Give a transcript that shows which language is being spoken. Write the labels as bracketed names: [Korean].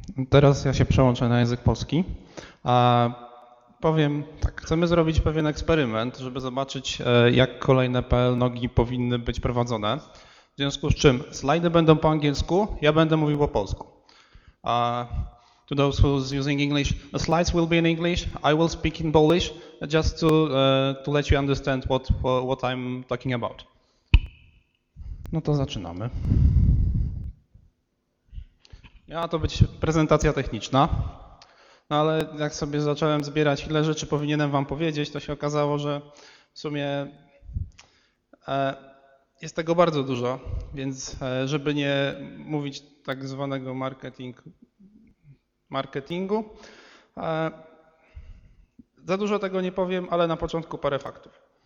[Polish] Teraz ja się przełączę na język polski. Powiem tak, chcemy zrobić pewien eksperyment, żeby zobaczyć, jak kolejne PL nogi powinny być prowadzone. W związku z czym slajdy będą po angielsku, ja będę mówił po polsku. [English] To those who are using English, the slides will be in English, I will speak in Polish, just to let you understand what I'm talking about. [Polish] No to zaczynamy. Miała to być prezentacja techniczna, no ale jak sobie zacząłem zbierać, ile rzeczy powinienem wam powiedzieć, to się okazało, że w sumie jest tego bardzo dużo, więc żeby nie mówić tak zwanego marketingu, za dużo tego nie powiem, ale na początku parę faktów.